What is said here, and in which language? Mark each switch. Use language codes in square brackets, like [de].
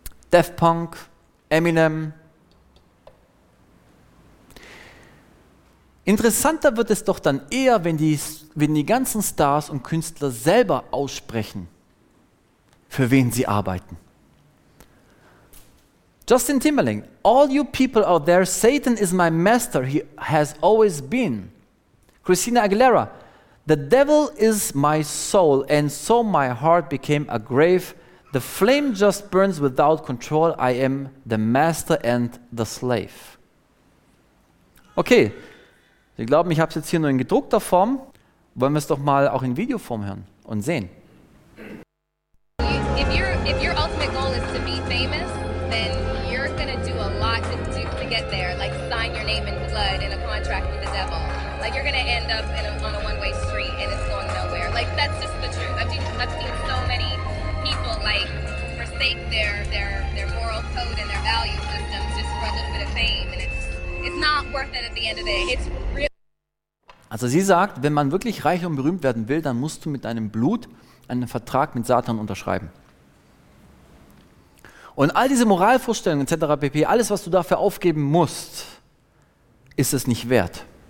[de] Daft Punk, Eminem. Interessanter wird es doch dann eher, wenn die ganzen Stars und Künstler selber aussprechen, für wen sie arbeiten. [en] Justin Timberlake, all you people out there, Satan is my master, he has always been. Christina Aguilera, the devil is my soul and so my heart became a grave. The flame just burns without control, I am the master and the slave. [de] Okay, Sie glauben, ich habe es jetzt hier nur in gedruckter Form. Wollen wir es doch mal auch in Videoform hören und sehen. [en] If your ultimate goal is to be famous, then you're gonna do a lot to get there. Like sign your name in blood in a contract with the devil. Like you're gonna end up on a one-way street and it's going nowhere. Like that's just the truth. I've seen so many people like forsake their moral code and their value system just for a little bit of fame, and it's not worth it at the end of the day. It's real. [de] Also sie sagt, wenn man wirklich reich und berühmt werden will, dann musst du mit deinem Blut einen Vertrag mit Satan unterschreiben. Und all diese Moralvorstellungen etc. pp., alles, was du dafür aufgeben musst, ist es nicht wert.